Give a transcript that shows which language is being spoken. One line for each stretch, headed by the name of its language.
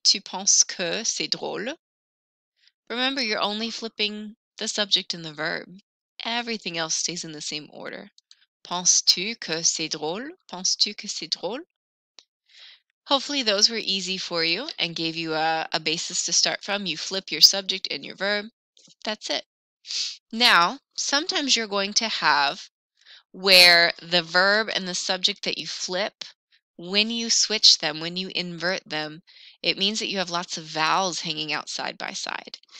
French: Tu penses que c'est drôle?
English: Remember, you're only flipping the subject and the verb. Everything else stays in the same order.
French: Penses-tu que c'est drôle? Penses-tu que c'est drôle?
English: Hopefully those were easy for you and gave you a basis to start from. You flip your subject and your verb. That's it. Now, sometimes you're going to have where the verb and the subject that you flip, when you switch them, when you invert them, it means that you have lots of vowels hanging out side by side.